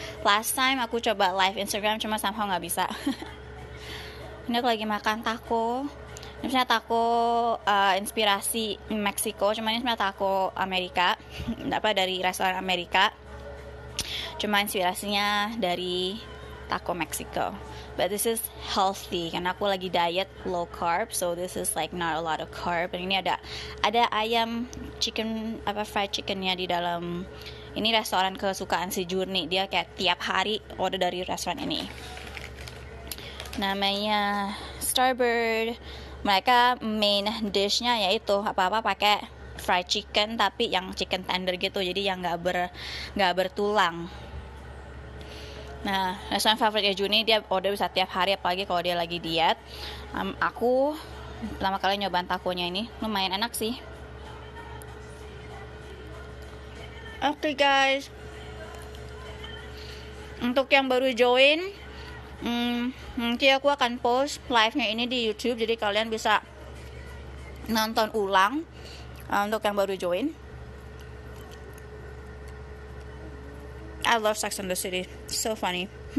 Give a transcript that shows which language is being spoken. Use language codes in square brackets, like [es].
[en] Last time [id] aku coba live Instagram, cuma [en] somehow [id] gak bisa. Ini aku lagi makan taco. Ini sebenernya taco inspirasi Meksiko, cuma ini sebenernya taco Amerika. Apa, dari restoran Amerika. Cuma inspirasinya dari taco Meksiko. [en] But this is healthy, [id] karena aku lagi diet [en] low carb, so this is like not a lot of carb. [id] Dan ini ada ayam chicken, apa, fried chickennya di dalam. Ini restoran kesukaan si Jurni, dia kayak tiap hari order dari restoran ini. Namanya Starbird. Mereka main dishnya yaitu apa-apa pakai fried chicken, tapi yang chicken tender gitu, jadi yang gak bertulang. Nah, restoran favoritnya Juni, dia order bisa tiap hari, apalagi kalau dia lagi diet. Aku pertama kali nyobain takonya ini, lumayan enak sih. [en] Okay, guys. [id] Untuk yang baru join, nanti aku akan post live-nya ini di YouTube, jadi kalian bisa nonton ulang untuk yang baru join. [en] I love Sex and the City, so funny.